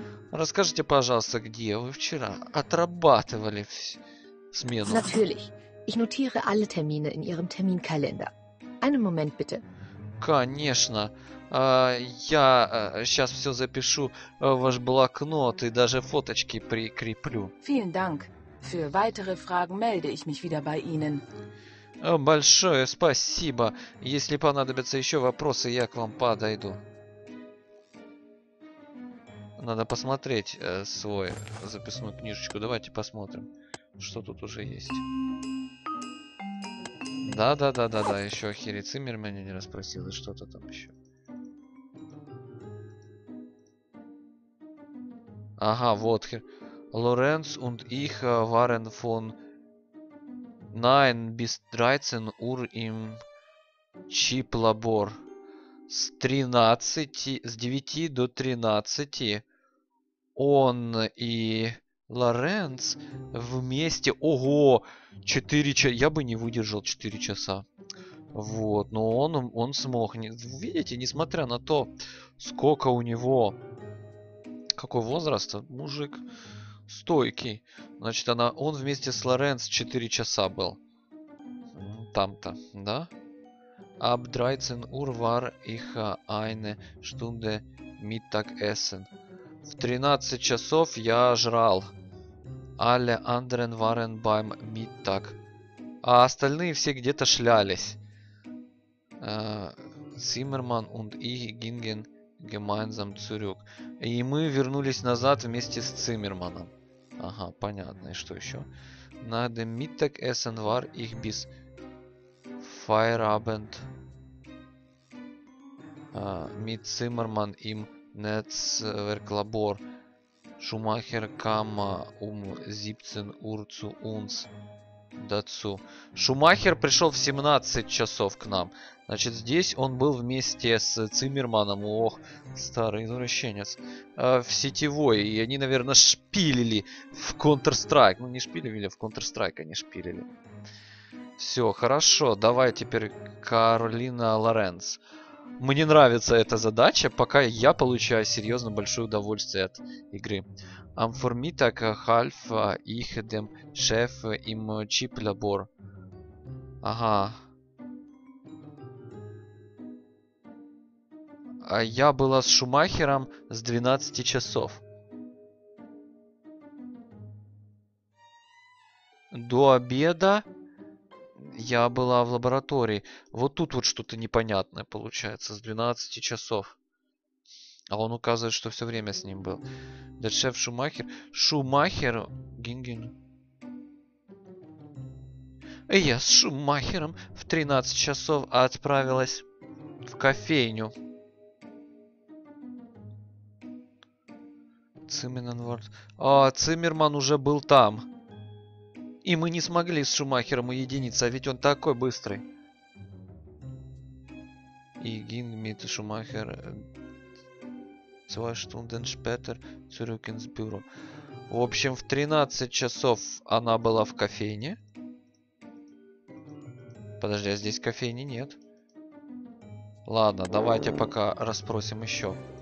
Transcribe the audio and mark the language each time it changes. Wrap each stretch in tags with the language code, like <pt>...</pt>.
<ru>Расскажите, пожалуйста, где вы вчера отрабатывали смену?</ru> <de>Natürlich. Ich notiere alle Termine in Ihrem Terminkalender. Einen Moment, bitte.</de> <ru>Конечно. Я сейчас все запишу в ваш блокнот и даже фоточки прикреплю.</ru> <de>Vielen Dank. Für weitere Fragen melde ich mich wieder bei Ihnen.</de> <ru>Большое спасибо. Если понадобятся еще вопросы, я к вам подойду. Надо посмотреть свой записную книжечку. Давайте посмотрим, что тут уже есть. Да, еще о Хере Циммермане не расспросил, и что-то там еще. Ага, вот. Лоренц</ru> <de>und ich waren von Nein, bis 13 Uhr im Chip-Labor.</de> <ru>С 9 до 13 он и Лоренц вместе... Ого! 4 часа... Я бы не выдержал 4 часа. Вот, но он смог. Видите, несмотря на то, сколько у него... Какой возраст? Мужик стойкий. Значит, он вместе с Лоренц 4 часа был. Там-то, да?</ru> <de>Ab 13 Uhr war ich eine Stunde Mittagessen.</de> <ru>В 13 часов я жрал.</ru> <de>Alle anderen waren beim Mittag.</de> <ru>А остальные все где-то шлялись.</ru> <de>Zimmermann und ich gingen gemeinsam zurück.</de> <ru>И мы вернулись назад вместе с Циммерманом. Ага, понятно. И что еще?</ru> <de>Nach dem Mittagessen war ich bis Feierabend. Mit Zimmermann im Netzwerklabor. Schumacher kam um 17 Uhr zu uns dazu.</de> <ru>Schumacher пришел в 17 часов к нам. Значит, здесь он был вместе с Циммерманом. Ох, старый извращенец. В сетевой. И они, наверное, шпилили в Counter-Strike. Ну, не шпилили, в Counter-Strike они шпилили. Все, хорошо. Давай теперь Каролина Лоренц. Мне нравится эта задача, пока я получаю серьезно большое удовольствие от игры.</ru> <de>Am Vormittag half ich dem Chef im Chip-Labor.</de> <ru>Ага. А я была с Шумахером с 12 часов. До обеда. Я была в лаборатории. Вот тут вот что-то непонятное получается. С 12 часов. А он указывает, что все время с ним был.</ru> <de>Der Chef Schumacher. Schumacher. Гинген.</de> <ru>Я с Шумахером в 13 часов отправилась в кофейню. Циммерман. А, Циммерман уже был там. И мы не смогли с Шумахером уединиться, а ведь он такой быстрый.</ru> <de>И ging mit Schumacher zwei Stunden später zurück ins Büro.</de> <ru>В общем, в 13 часов она была в кофейне. Подожди, а здесь кофейни нет? Ладно, давайте пока расспросим еще.</ru>